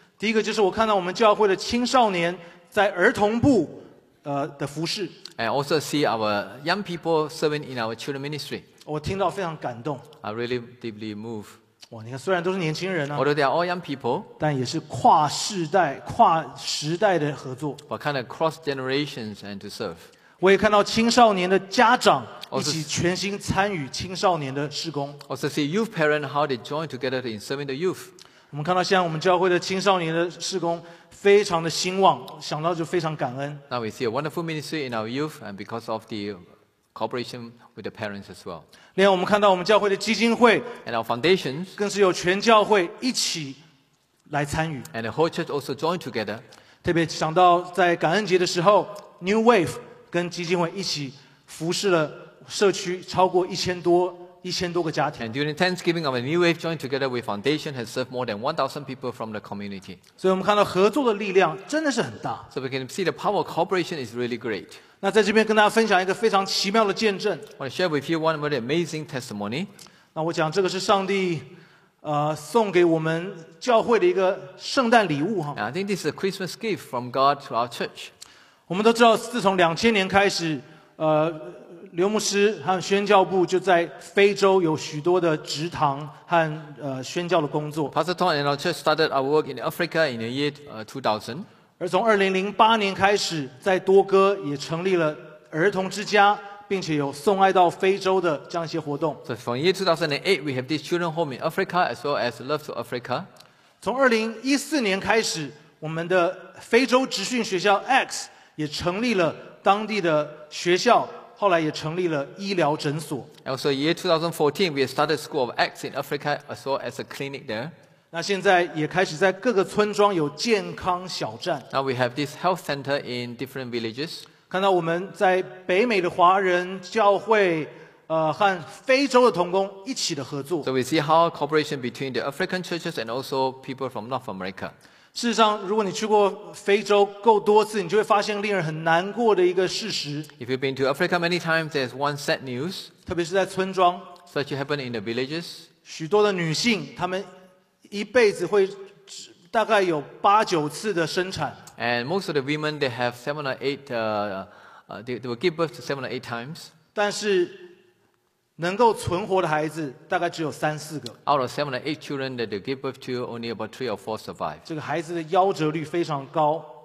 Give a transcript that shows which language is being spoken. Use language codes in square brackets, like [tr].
[zh] 第一个就是我看到我们教会的青少年在儿童部的服事。 [en] And also see our young people serving in our children ministry. [zh] 我听到非常感动。 [en] I really deeply moved. [zh] 哇，你看，虽然都是年轻人啊 [en] ，although they are all young people， [zh] 但也是跨世代、跨时代的合作。 [en] But kind of cross generations and to serve。 [zh] 我也看到青少年的家长一起全心参与青少年的事工。 [en] Also see youth parents how they join together in serving the youth。 [zh] 我们看到现在我们教会的青少年的事工非常的兴旺，想到就非常感恩。 [en] Now we see a wonderful ministry in our youth, and because of the cooperation with the parents as well。 [zh] 另外我们看到我们教会的基金会 [en] and our foundations [zh] 更是有全教会一起来参与 [en] and the whole church also joined together [zh] 特别想到在感恩节的时候 New Wave 跟基金会一起服侍了社区超过一千多个家庭 [en] and during Thanksgiving our New Wave joined together with foundation has served more than 1,000 people from the community [zh] 所以我们看到合作的力量真的是很大 [en] so we can see the power of cooperation is really great [zh] 那在这边跟大家分享一个非常奇妙的见证。 [en] I want to share with you one very amazing testimony. [zh] 那我讲这个是上帝送给我们教会的一个圣诞礼物哈。 [en] I think this is a Christmas gift from God to our church. [zh] 我们都知道自从2000年开始刘牧师和宣教部就在非洲有许多的职堂和宣教的工作。 [en] Pastor Tom and our church started our work in Africa in the year 2000. [zh] 而从2008年开始在多哥也成立了儿童之家并且有送爱到非洲的这样一些活动 [en] So from year 2008 we have this children home in Africa as well as Love to Africa [zh] 从2014年开始我们的非洲职训学校 X 也成立了当地的学校后来也成立了医疗诊所。 [en] Also, year 2014, we started school of acts in Africa as well as a clinic there. [zh] 那现在也开始在各个村庄有健康小站。 [en] Now we have this health center in different villages. [zh] 看到我们在北美的华人教会，和非洲的同工一起的合作。 [en] So we see how cooperation between the African churches and also people from North America. [zh] 事实上，如果你去过非洲够多次，你就会发现令人很难过的一个事实。 [en] If you've been to Africa many times, there's one sad news. [zh] 特别是在村庄 [en] ，such happen in the villages. [zh] 许多的女性，她们一辈子会大概有八九次的生产。 [en] And most of the women, they have seven or eight, they will give birth to seven or eight times. [zh] 但是能够存活的孩子大概只有三四个。 [en] Out of seven or eight children that they give birth to, only about three or four survive. [zh] 这个孩子的夭折率非常高。